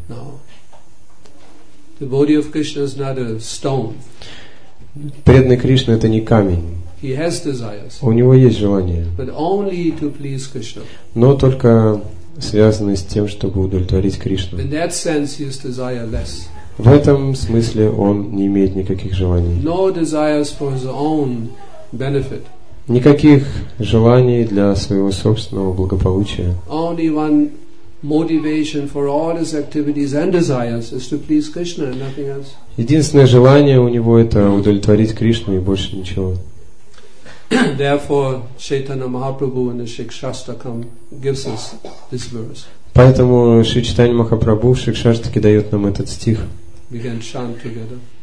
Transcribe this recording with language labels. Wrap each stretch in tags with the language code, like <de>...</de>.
<en>No. The body of Krishna is not a stone.</en> <ru>Преданный Кришна – это не камень.</ru> <en>He has desires.</en> <ru>У него есть желания.</ru> <en>But only to please Krishna.</en> <ru>Но только связанные с тем, чтобы удовлетворить Кришну.</ru> <en>In that sense, he is desireless.</en> <ru>В этом смысле он не имеет никаких желаний.</ru> <en>No desires for his own benefit.</en> <ru>Никаких желаний для своего собственного благополучия.</ru> <en>Only one motivation for all his activities and desires is to please Krishna and nothing else.</en> <ru>Единственное желание у него это удовлетворить Кришну и больше ничего.</ru> <en>Therefore, Chaitanya Mahaprabhu in the Shikshastakam gives us this verse.</en> <ru>Поэтому Шри Чайтанья Махапрабху в Шикшаштаке дает нам этот стих.</ru> <en>We can chant together.</en>